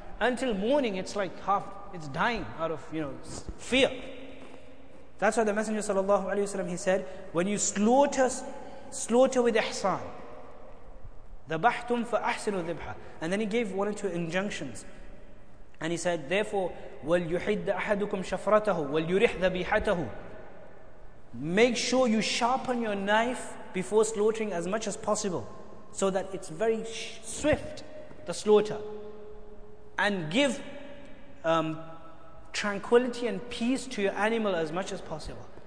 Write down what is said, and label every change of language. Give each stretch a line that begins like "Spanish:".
English: Until morning, it's like half, it's dying out of, you know, fear. That's why the Messenger sallallahu alayhi wa sallam, he said, when you slaughter with ihsan,
Arabic: ذَبَحْتُمْ فَأَحْسِنُوا الذِّبْحَ.
English: And then he gave one or two injunctions. And he said, therefore,
Arabic: وَلْيُحِدَّ أَحَدُكُمْ شَفْرَتَهُ وَلْيُرِحْ ذَبِيحَتَهُ.
English: Make sure you sharpen your knife before slaughtering as much as possible, so that it's very swift, the slaughter. And give tranquility and peace to your animal as much as possible.